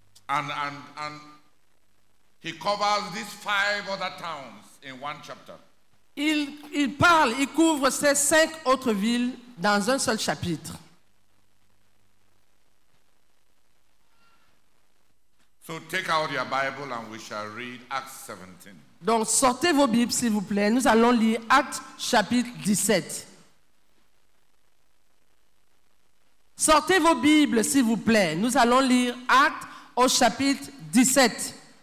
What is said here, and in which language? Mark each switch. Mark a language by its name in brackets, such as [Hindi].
[English] And he covers these 5 other towns in one chapter. [French] Il parle, il couvre ces 5 autres villes dans un seul chapitre. [English] So take out your Bible and we shall read Acts 17. [French] Donc sortez vos Bibles s'il vous plaît, nous allons lire Actes chapitre 17. Sortez vos Bibles s'il vous plaît, nous allons lire Actes au chapitre 17.